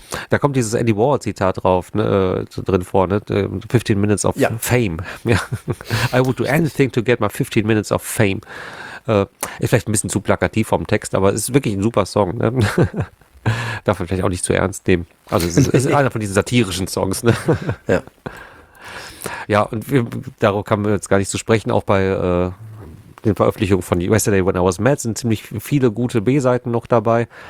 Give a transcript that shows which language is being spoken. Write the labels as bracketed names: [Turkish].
[German] Da kommt dieses Andy Warhol-Zitat drauf, ne, drin vor, ne? 15 Minutes of Fame. [English] Ja. I would do anything to get my 15 Minutes of Fame. [German] Ist vielleicht ein bisschen zu plakativ vom Text, aber es ist wirklich ein super Song. Ne? Darf man vielleicht auch nicht zu ernst nehmen. Also es ist einer von diesen satirischen Songs. Ne? Ja, und darauf kann man jetzt gar nicht zu sprechen, auch bei den Veröffentlichungen von Yesterday When I Was Mad sind ziemlich viele gute B-Seiten noch dabei.